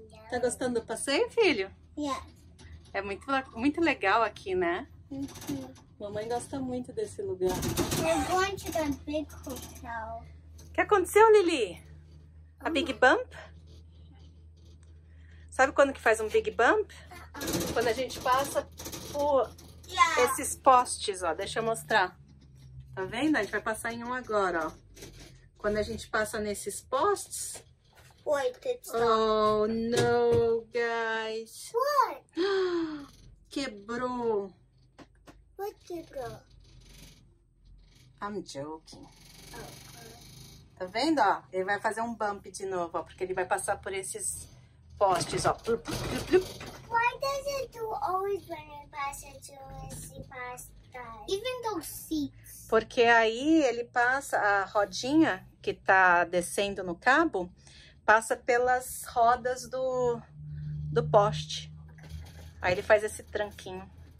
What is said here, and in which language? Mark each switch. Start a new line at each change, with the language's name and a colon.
Portuguese: Tá gostando do passeio, filho?
English: Yeah.
Portuguese: É muito, muito legal aqui, né? Uh-huh. Mamãe gosta muito desse lugar.
English: We're going to the big hotel.
Portuguese: O que aconteceu, Lili? A Big Bump? Sabe quando que faz um Big Bump? Uh-uh. Quando a gente passa por esses postes, ó. Deixa eu mostrar. Tá vendo? A gente vai passar em um agora, ó. Quando a gente passa nesses postes...
English: Wait, it's not... Oh, no, guys. What?
Portuguese: Quebrou.
English: What quebrou? I'm joking. Oh, God.
Portuguese: Tá vendo, ó? Ele vai fazer um bump de novo, ó. Porque ele vai passar por esses postes, ó.
English: Why doesn't you always when it passes through
Portuguese: esse poste?
English: Even those seats.
Portuguese: Porque aí ele passa, a rodinha que tá descendo no cabo, passa pelas rodas do poste. Aí ele faz esse tranquinho.